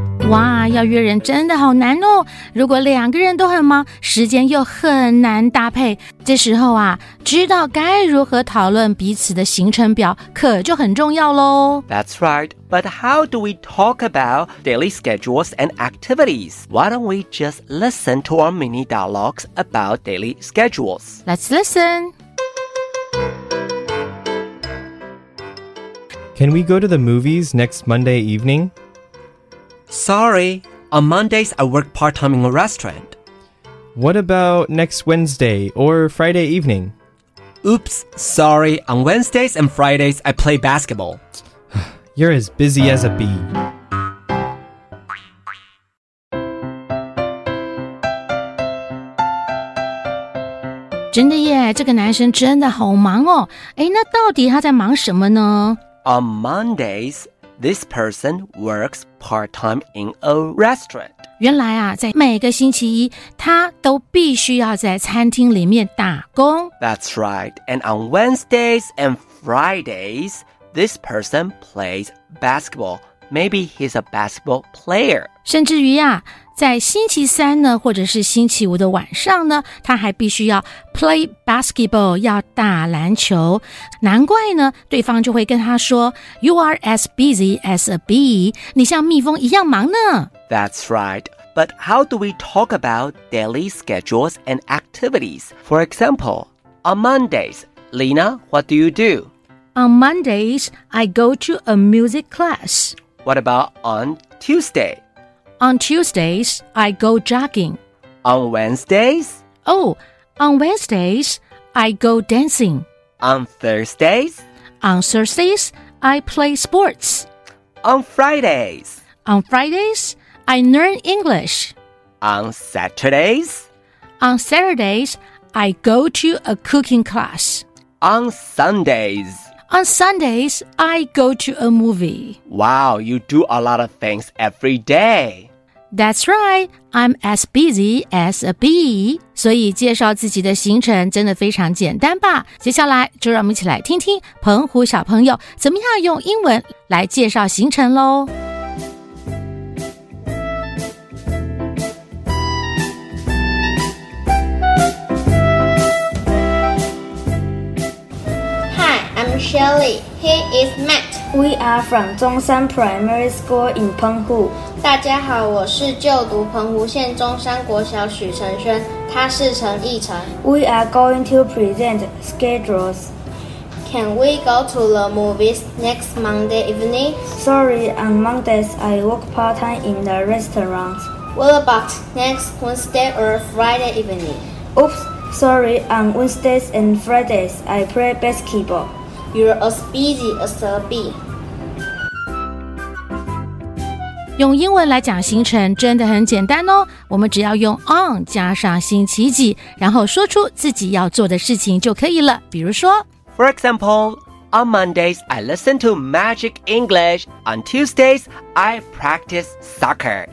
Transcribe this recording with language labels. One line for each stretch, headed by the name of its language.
Chinese: 哇，要约人真的好难哦。如果两个人都很忙，时间又很难搭配，这时候啊，知道该如何讨论彼此的行程表可就很重要咯。
English: That's right. But how do we talk about daily schedules and activities? Why don't we just listen to our mini dialogues about daily schedules? Let's listen. Can we go to the movies next Monday evening? Sorry. On Mondays, I work part-time in a restaurant. What about next Wednesday or Friday evening? Oops, sorry. On Wednesdays and Fridays, I play basketball. You're as busy as a bee. Really, this guy is really busy. What is he doing? On Mondays... This person works part-time in a restaurant.
Chinese: 原来啊，在每个星期一，他都必须要在餐厅里面打工。
English: That's right. And on Wednesdays and Fridays, this person plays basketball. Maybe he's a basketball player.
Chinese: 甚至于啊，在星期三呢，或者是星期五的晚上呢，他还必须要 play basketball, 要打篮球。难怪呢，对方就会跟他说
English: You are as busy as a bee,
Chinese: 你像蜜蜂一样忙呢。
English: That's right. But how do we talk about daily schedules and activities? For example, on Mondays, Lena, what do you do? On Mondays, I go to a music class. What about on Tuesday? On Tuesdays, I go jogging. On Wednesdays? Oh, on Wednesdays, I go dancing. On Thursdays? On Thursdays, I play sports. On Fridays? On Fridays, I learn English. On Saturdays? On Saturdays, I go to a cooking class. On Sundays? On Sundays, I go to a movie. Wow, you do a lot of things every day. That's right, I'm as busy as a bee.
Chinese: 所以介绍自己的行程真的非常简单吧？接下来就让我们一起来听听澎湖小朋友怎么样用英文来介绍行程咯。
English: Shelly, he is Matt. We are from 中山 Primary School in 澎湖。
Chinese: 大家好，我是就读澎湖县中山国小许承轩，他是陈奕晨。
English: We are going to present schedules. Can we go to the movies next Monday evening? Sorry, on Mondays I work part time in the restaurant. What about next Wednesday or Friday evening? Oops, sorry, on Wednesdays and Fridays I play basketball. You're as busy as a bee.
Chinese: 用英文来讲行程真的很简单哦。我们只要用 on 加上星期几，然后说出自己要做的事情就可以了。比如说
English: ，For example, on Mondays I listen to Magic English. On Tuesdays I practice soccer.